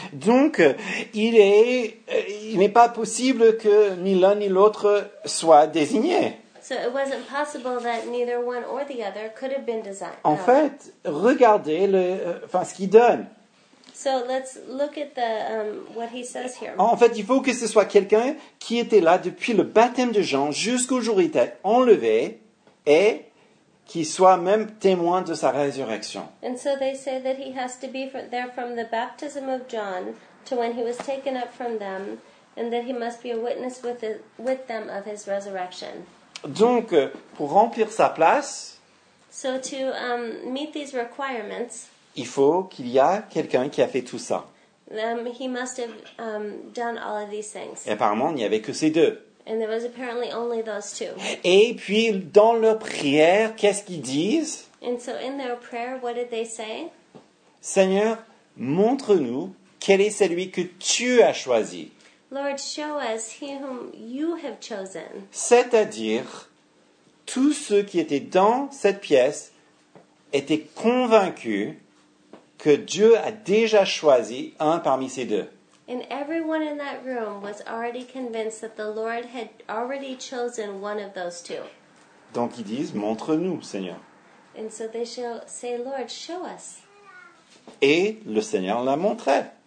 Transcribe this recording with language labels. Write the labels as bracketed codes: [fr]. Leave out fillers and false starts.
[fr] Donc, il n'est pas possible que ni l'un ni l'autre soit désigné. [en] So it wasn't possible that neither one or the other could have been designed. [fr] En fait, regardez le, enfin, ce qu'il donne. [en] So let's look at the what he says here. [fr] En fait, il faut que ce soit quelqu'un qui était là depuis le baptême de Jean jusqu'au jour où il était enlevé et qui soit même témoin de sa résurrection. [en] And so they say that he has to be there from the baptism of John to when he was taken up from them, and that he must be a witness with the, with them of his resurrection. [fr] Donc, pour remplir sa place, [en] so to meet these requirements, [fr] il faut qu'il y a quelqu'un qui a fait tout ça. [en] He must have done all of these things. [fr] Et apparemment, il n'y avait que ces deux. [en] And there was apparently only those two. [fr] Et puis, dans leur prière, qu'est-ce qu'ils disent? [en] And so in their prayer, what did they say? [fr] Seigneur, montre-nous quel est celui que tu as choisi. [en] Lord, show us he whom you have chosen. [fr] C'est-à-dire, tous ceux qui étaient dans cette pièce étaient convaincus que Dieu a déjà choisi un parmi ces deux. [en] And everyone in that room was already convinced that the Lord had already chosen one of those two. [fr] Donc ils disent, montre-nous, Seigneur. [en] And so they shall say, Lord, show us. [fr] Et le Seigneur l'a montré.